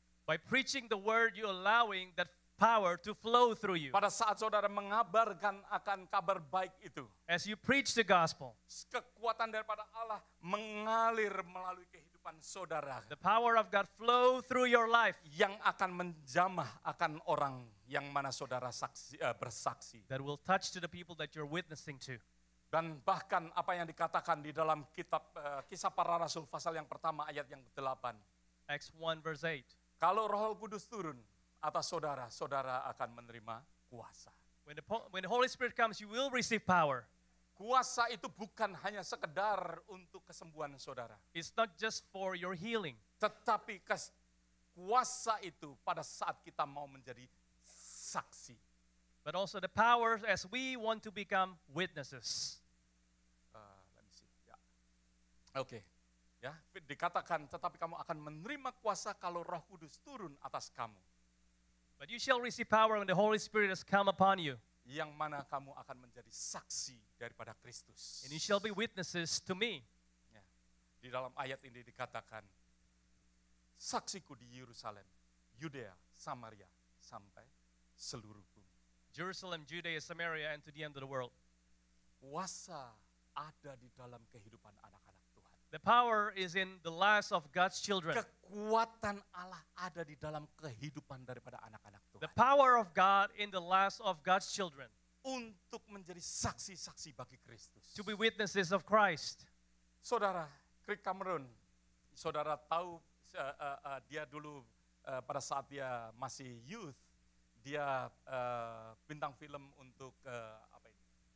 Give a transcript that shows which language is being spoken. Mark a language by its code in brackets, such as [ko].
[en] By preaching the word, you allowing that power to flow through you. [id] Pada saat saudara mengabarkan akan kabar baik itu, [en] as you preach the gospel, [id] kekuatan daripada Allah mengalir melalui kehidupan saudara. [en] The power of God flow through your life, [id] yang akan menjamah akan orang yang mana saudara bersaksi. [en] That will touch to the people that you're witnessing to. [id] Dan bahkan apa yang dikatakan di dalam kitab Kisah Para Rasul pasal yang pertama ayat yang ke-8. [en] Acts 1 verse 8. [id] Kalau Roh Kudus turun atas saudara, saudara akan menerima kuasa. [en] When the Holy Spirit comes, you will receive power. [id] Kuasa itu bukan hanya sekedar untuk kesembuhan saudara. [en] It's not just for your healing. [id] Tetapi kuasa itu pada saat kita mau menjadi saksi. [en] But also the power as we want to become witnesses. Let me [id] Oke. Ya, dikatakan tetapi kamu akan menerima kuasa kalau Roh Kudus turun atas kamu. [en] But you shall receive power when the Holy Spirit has come upon you. [id] Yang mana kamu akan menjadi saksi daripada Kristus. [en] And you shall be witnesses to me. [id] Ya. Di dalam ayat ini dikatakan saksiku di Yerusalem, Yudea, Samaria sampai seluruh bumi. [en] Jerusalem, Judea, Samaria and to the end of the world. [id] Kuasa ada di dalam kehidupan anak-anak Tuhan. [en] The power is in the lives of God's children. [id] Kekuatan Allah ada di dalam kehidupan daripada anak-anak Tuhan. [en] The power of God in the lives of God's children. [id] Untuk menjadi saksi-saksi bagi Kristus. [en] To be witnesses of Christ. [id] Saudara Craig Cameron, saudara tahu dia dulu pada saat dia masih youth, dia bintang film untuk apa ini?